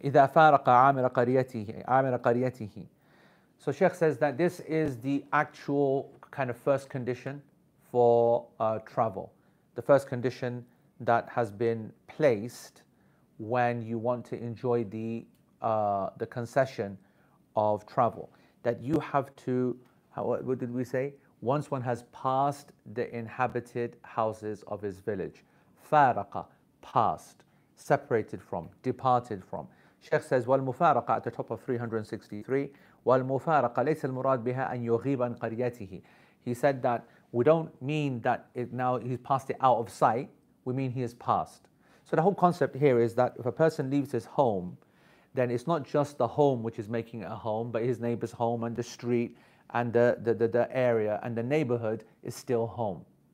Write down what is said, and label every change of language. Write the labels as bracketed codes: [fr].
[ar] إذا فارق عامر قريته عامر قريته. [en] So Sheikh says that this is the actual kind of first condition for travel. The first condition that has been placed when you want to enjoy the concession of travel. That you have to, what did we say? Once one has passed the inhabited houses of his village. فارق, passed. Separated from, departed from. Sheikh says, [ar] والمفارقة [en] at the top of 363, [ar] والمفارقة ليس المراد بها أن يغيب عن قريته. [en] He said that we don't mean that it now he's passed it out of sight, we mean he has passed. So the whole concept here is that if a person leaves his home, then it's not just the home which is making it a home, but his neighbor's home and the street and the area and the neighborhood is still home.